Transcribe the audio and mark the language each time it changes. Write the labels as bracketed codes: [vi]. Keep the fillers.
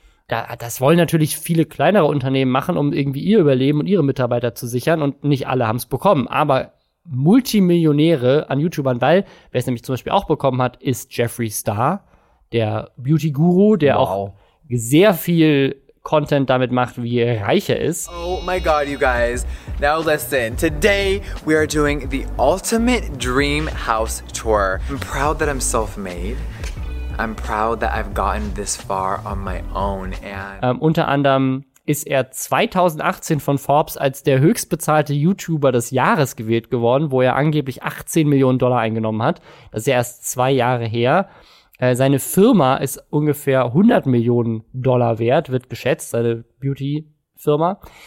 [de] Da, das wollen natürlich viele kleinere Unternehmen machen, um irgendwie ihr Überleben und ihre Mitarbeiter zu sichern und nicht alle haben es bekommen. Aber Multimillionäre an YouTubern, weil wer es nämlich zum Beispiel auch bekommen hat, ist Jeffrey Star, der Beauty-Guru, der wow. auch sehr viel Content damit macht, wie reich er reicher ist. [en] Oh my god, you guys. Now listen. Today we are doing the ultimate dream house tour. I'm proud that I'm self-made. I'm proud that I've gotten this far on my own and [de] ähm, unter anderem ist er 2018 von Forbes als der höchstbezahlte YouTuber des Jahres gewählt geworden, wo er angeblich 18 Millionen Dollar eingenommen hat. Das ist ja erst zwei Jahre her. Äh, seine Firma ist ungefähr 100 Millionen Dollar wert, wird geschätzt, seine Beauty-Firma.